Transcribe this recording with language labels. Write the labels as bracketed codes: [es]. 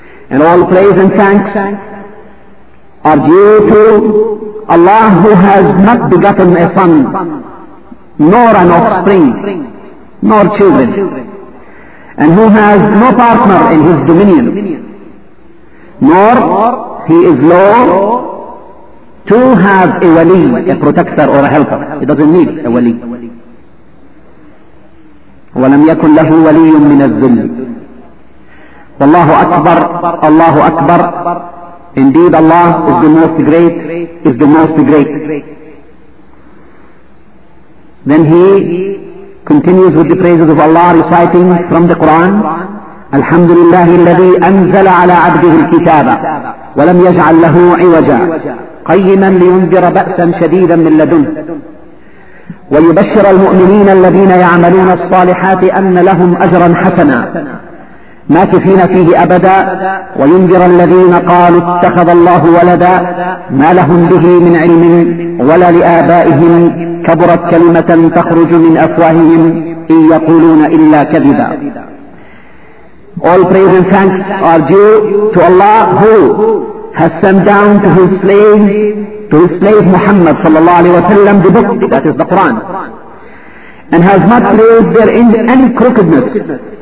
[en] And all praise and thanks are due to Allah, who has not begotten a son, nor an offspring, nor children, and who has no partner in his dominion, nor he is law to have a wali, a protector or a helper. He doesn't need a wali. [ar] وَلَمْ يَكُنْ لَهُ وَلِيٌّ مِّنَ الذُّلِّ. والله أكبر, الله أكبر. [en] Indeed Allah is the most great, is the most great. Then he continues with the praises of Allah, reciting from the Quran, [ar] الحمد لله الذي أنزل على عبده الكتاب ولم يجعل له عوجا قيما لينذر بأسا شديدا من لدنه ويبشر المؤمنين الذين يعملون الصالحات أن لهم أجرا حسنا ماكثين فيه أبدا وينذر الذين قالوا اتخذ الله ولدا ما لهم به من علم ولا لآبائهم كبرت كلمة تخرج من أفواههم إن يقولون إلا كذبا. [en] All praise and thanks are due to Allah, who has sent down to his slaves, to his slave Muhammad sallallahu alayhi wa sallam, the book, that is the Quran, and has not placed therein any crookedness.